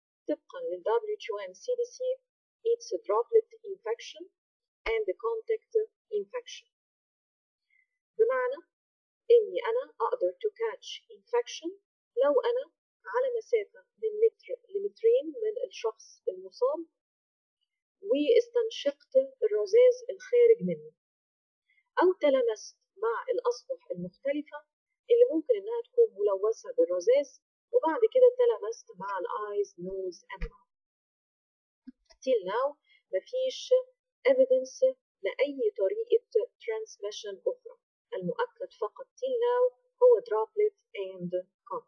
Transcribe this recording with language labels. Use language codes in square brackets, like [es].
[ar] طبقا [en] للWHO and CDC, it's a droplet infection and a contact infection. [ar] بمعنى إني أنا أقدر [en] to catch infection [ar] لو أنا على مسافة من متر لمترين من الشخص المصاب واستنشقت الرذاذ الخارج منه أو تلامست مع الأسطح المختلفة اللي ممكن إنها تكون ملوثة بالرذاذ وبعد كده تلامست مع الـ [en] eyes, nose and mouth. Till now [ar] مفيش evidence لأي طريقة transmission أخرى. المؤكد فقط [en] till now [ar] هو [en] droplet and